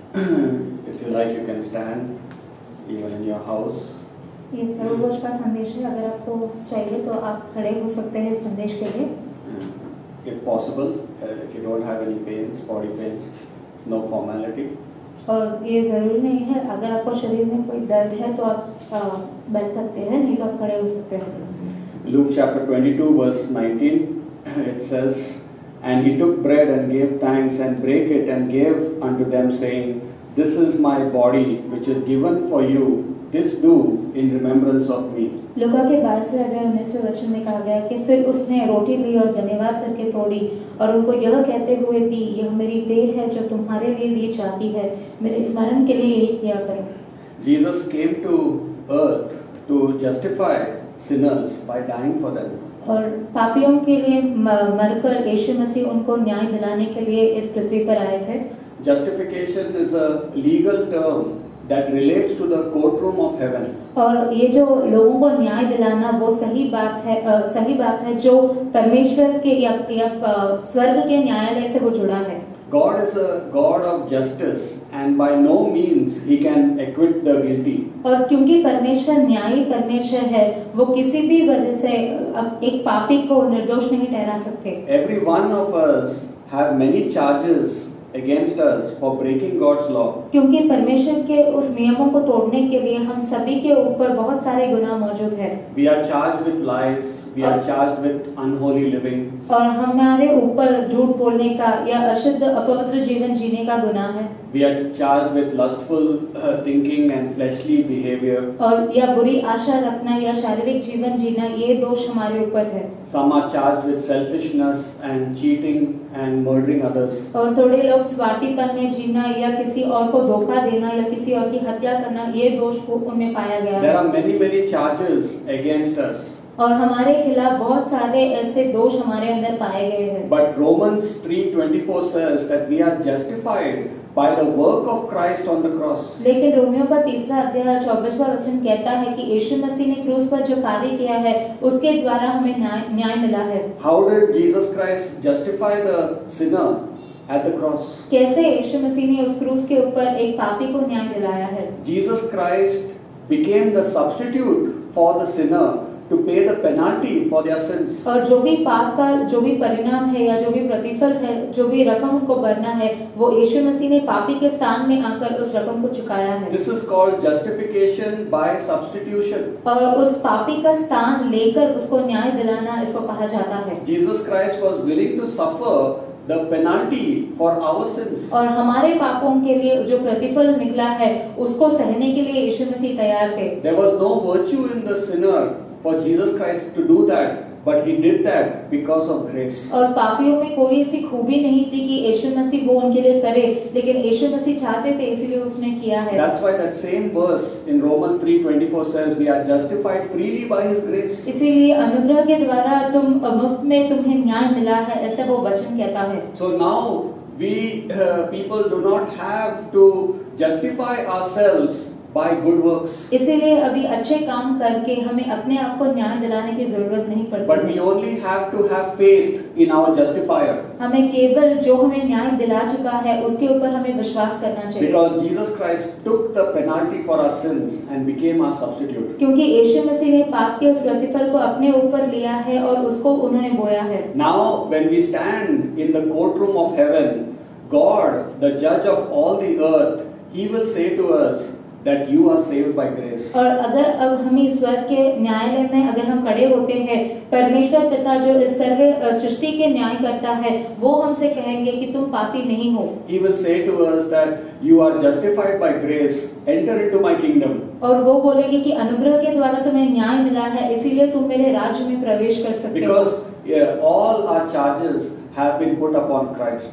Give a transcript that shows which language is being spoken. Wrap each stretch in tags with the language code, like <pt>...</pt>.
<en>If you like, you can stand even in your house.</en> <hi>ये प्रभु भोज का संदेश है. अगर आपको चाहिए तो आप खड़े हो सकते हैं संदेश के लिए.</hi> <en>If possible, if you don't have any pains, body pains, no formality.</en> <hi>और ये जरूरी नहीं है. अगर आपको शरीर में कोई दर्द है तो आप बैठ सकते हैं, नहीं तो आप खड़े हो सकते हैं.</hi> <en>Luke chapter 22 verse 19, it says, and he took bread and gave thanks and broke it and gave unto them saying, this is my body which is given for you. This do in remembrance of me.</en> <hi>लुका के 22वें अध्याय 19वें वचन में कहा गया कि फिर उसने रोटी ली और धन्यवाद करके तोड़ी और उनको यह कहते हुए दी, यह मेरी देह है जो तुम्हारे लिए दी जाती है, मेरे स्मरण के लिए यही किया करो.</hi> <en>Jesus came to earth to justify sinners by dying for them.</en> <hi>और पापियों के लिए मरकर यीशु मसीह उनको न्याय दिलाने के लिए इस पृथ्वी पर आए थे.</hi> <en>Justification is a legal term that relates to the courtroom of heaven.</en> <hi>और ये जो लोगों को न्याय दिलाना वो सही बात है, सही बात है जो परमेश्वर के या स्वर्ग के न्यायालय से वो जुड़ा है.</hi> <en>God is a God of justice and by no means he can acquit the guilty.</en> <hi>और क्योंकि परमेश्वर न्यायी परमेश्वर है, वो किसी भी वजह से एक पापी को निर्दोष नहीं ठहरा सकते.</hi> <en>Every one of us have many charges against us for breaking God's law.</en> <hi>क्योंकि परमेश्वर के उस नियमों को तोड़ने के लिए हम सभी के ऊपर बहुत सारे गुनाह मौजूद है.</hi> <en>We are charged with lies. We are charged with unholy living.</en> <hi>और हमारे ऊपर झूठ बोलने का या अशुद्ध अपवित्र जीवन जीने का गुनाह है.</hi> <en>We are charged with lustful thinking and fleshly behavior.</en> <hi>और या बुरी आशा रखना या शारीरिक जीवन जीना, ये दोष हमारे ऊपर है.</hi> <en>Some are charged with selfishness and cheating and murdering others.</en> <hi>और थोड़े लोग स्वार्थीपन में जीना या किसी और को धोखा देना या किसी और की हत्या करना, ये दोष उनमें पाया गया.</hi> <en>There are many many charges against us.</en> <hi>और हमारे खिलाफ बहुत सारे ऐसे दोष हमारे अंदर पाए गए हैं.</hi> <en>But Romans 3:24 says that we are justified by the work of Christ on the cross.</en> <hi>लेकिन रोमियों का 3:24 वचन कहता है कि यीशु मसीह ने क्रूस पर जो कार्य किया है उसके द्वारा हमें न्याय मिला है.</hi> <en>How did Jesus Christ justify the sinner at the cross?</en> <hi>कैसे यीशु मसीह ने उस क्रूस के ऊपर एक पापी को न्याय दिलाया है?</hi> <en>Jesus Christ became the substitute for the sinner to pay the penalty for their sins.</en> <hi>और जो भी पाप का जो भी परिणाम है या जो भी प्रतिफल है, जो भी रकम उनको भरना है, वो यीशु मसीह ने पापी के स्थान में आकर उस रकम को चुकाया है.</hi> <en>This is called justification by substitution.</en> <hi>और उस पापी का स्थान लेकर उसको न्याय दिलाना, इसको कहा जाता है.</hi> <en>Jesus Christ was willing to suffer the penalty for our sins.</en> <hi>और हमारे पापों के लिए जो प्रतिफल निकला है उसको सहने के लिए यीशु मसीह तैयार थे.</hi> <en>There was no virtue in the sinner for Jesus Christ to do that, but he did that because of grace.</en> <hi>और पापियों में कोई ऐसी खूबी नहीं थी कि यीशु मसीह वो उनके लिए करे, लेकिन यीशु मसीह चाहते थे इसलिए उसने किया है.</hi> <en>That's why that same verse in Romans 3:24 says we are justified freely by his grace.</en> <hi>इसीलिए अनुग्रह के द्वारा तुम मुफ्त में तुम्हें न्याय मिला है, ऐसा वो वचन कहता है.</hi> <en>So now we people do not have to justify ourselves by good works.</en> <hi>इसीलिए अभी अच्छे काम करके हमें अपने आप को न्याय दिलाने की जरूरत नहीं पड़ती.</hi> <en>But we only have to have faith in our justifier.</en> <hi>हमें केवल जो हमें न्याय दिला चुका है उसके ऊपर हमें विश्वास करना चाहिए.</hi> <en>Because Jesus Christ took the penalty for our sins and became our substitute.</en> <hi>क्योंकि यीशु मसीह ने पाप के उस प्रतिफल को अपने ऊपर लिया है और उसको उन्होंने बोया है.</hi> <en>Now when we stand in the courtroom of heaven, God, the judge of all the earth, he will say to us that you are saved by grace.</en> <hi>और अगर अब हम इस स्वर्ग के न्यायालय में अगर हम खड़े होते हैं, परमेश्वर पिता जो इस सर्वे सृष्टि के न्याय करता है, वो हमसे कहेंगे कि तुम पापी नहीं हो.</hi> <en>He will say to us that you are justified by grace. Enter into my kingdom.</en> <hi>और वो बोलेंगे कि अनुग्रह के द्वारा तुम्हें न्याय मिला है, इसीलिए तुम मेरे राज्य में प्रवेश कर सकते हो.</hi> <en>Because all our charges have been put upon Christ.</en>